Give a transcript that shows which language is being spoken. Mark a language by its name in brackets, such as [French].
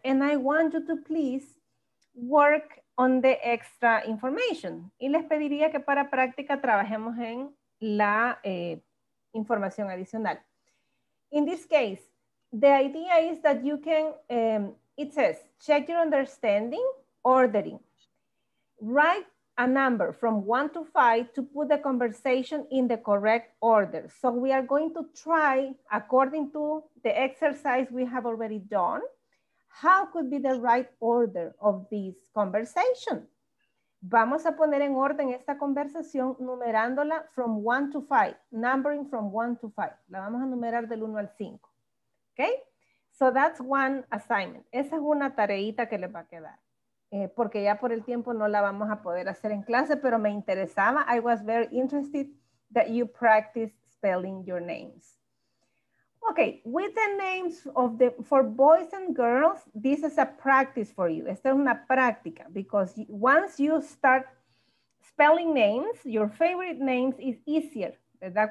[English] And I want you to please work on the extra information. [Spanish] Y les pediría que para práctica trabajemos en la información adicional. [English] In this case, the idea is that you can, it says, check your understanding. Ordering. Write a number from 1 to 5 to put the conversation in the correct order. So we are going to try, according to the exercise we have already done, how could be the right order of this conversation. [Spanish] Vamos a poner en orden esta conversación numerándola [English] from 1 to 5, [Spanish] numbering from 1 to 5. La vamos a numerar del 1 al 5. Okay? [English] So that's one assignment. [Spanish] Esa es una tareita que les va a quedar. Porque ya por el tiempo no la vamos a poder hacer en clase, pero me interesaba. [English] I was very interested that you practice spelling your names. Okay, with the names of the, for boys and girls, this is a practice for you. [Spanish] Esta es una práctica, [English] because once you start spelling names, your favorite names is easier. ¿verdad?